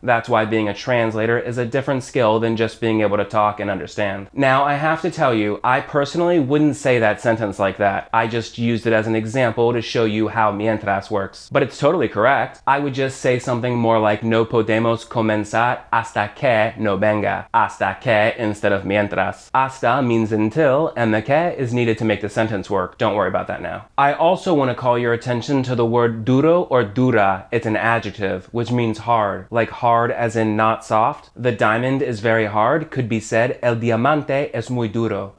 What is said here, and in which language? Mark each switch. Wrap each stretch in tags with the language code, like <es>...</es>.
<en>That's why being a translator is a different skill than just being able to talk and understand. Now, I have to tell you, I personally wouldn't say that sentence like that. I just used it as an example to show you how mientras works. But it's totally correct. I would just say something more like</en> <es>no podemos comenzar hasta que no venga.</es> <en>Hasta que instead of mientras. Hasta means until, and the que is needed to make the sentence work. Don't worry about that now. I also want to call your attention to the word duro or dura. It's an adjective, which means hard. Like hard as in not soft. The diamond is very hard could be said</en> <es>el diamante es muy duro.</es>